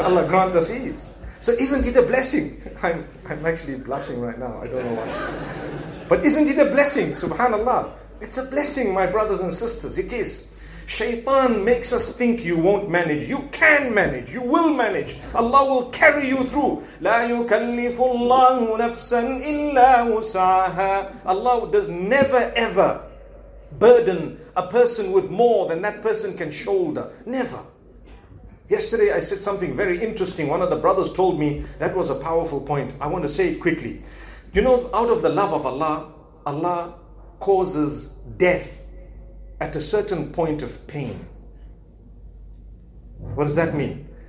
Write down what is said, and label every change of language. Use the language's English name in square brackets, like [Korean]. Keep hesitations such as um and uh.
[English] Allah grant us ease. So isn't it a blessing? I'm, I'm actually blushing right now. I don't know why. But isn't it a blessing? Subhanallah. It's a blessing, my brothers and sisters. It is. Shaitan makes us think you won't manage. You can manage. You will manage. Allah will carry you through. [Arabic] لا يكلف الله نفسا إلا وسعها. [English] Allah does never ever burden a person with more than that person can shoulder. Never. Yesterday I said something very interesting. One of the brothers told me that was a powerful point. I want to say it quickly. You know, out of the love of Allah, Allah causes death at a certain point of pain. What does that mean?